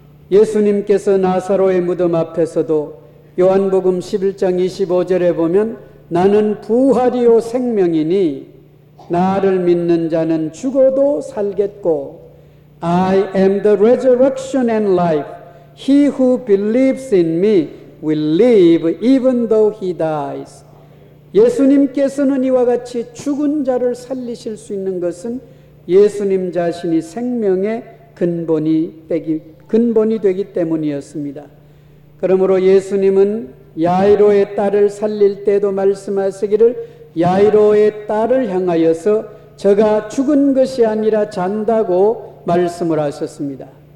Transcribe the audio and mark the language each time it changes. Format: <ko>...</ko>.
<ko>예수님께서 나사로의 무덤 앞에서도 요한복음 11장 25절에 보면 나는 부활이요 생명이니 나를 믿는 자는 죽어도 살겠고</ko> <en>I am the resurrection and life. He who believes in me will live even though he dies.</en> <ko>예수님께서는 이와 같이 죽은 자를 살리실 수 있는 것은 예수님 자신이 생명의 근본이 되기 때문이었습니다. 그러므로 예수님은 야이로의 딸을 살릴 때도 말씀하시기를 야이로의 딸을 향하여서 저가 죽은 것이 아니라 잔다고 말씀을 하셨습니다.</ko>